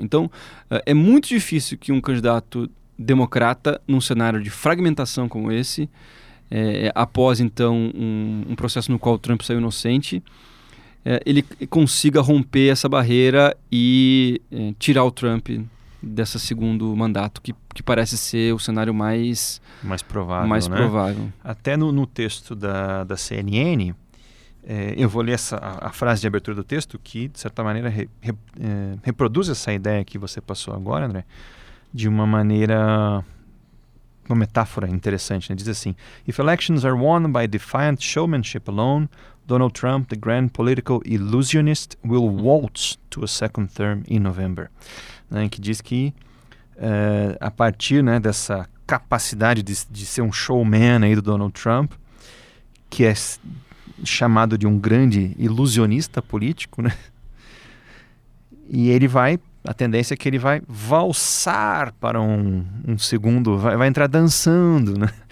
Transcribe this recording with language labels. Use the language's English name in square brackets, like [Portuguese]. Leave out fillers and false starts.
[Portuguese] Então, é muito difícil que um candidato democrata, num cenário de fragmentação como esse, após então um processo no qual o Trump saiu inocente, ele consiga romper essa barreira e tirar o Trump dessa segundo mandato, que parece ser o cenário mais provável. Mais, né? Provável. Até no texto da CNN, eu vou ler a frase de abertura do texto, que de certa maneira reproduz essa ideia que você passou agora, André, de uma maneira uma metáfora interessante, né? Diz assim: [English] If elections are won by defiant showmanship alone, Donald Trump, the grand political illusionist, will waltz to a second term in November. [Portuguese] Né? Que diz que a partir, né, dessa capacidade de ser um showman aí do Donald Trump, que é chamado de um grande ilusionista político, né? E ele vai, a tendência é que ele vai valsar para um segundo, vai entrar dançando, né?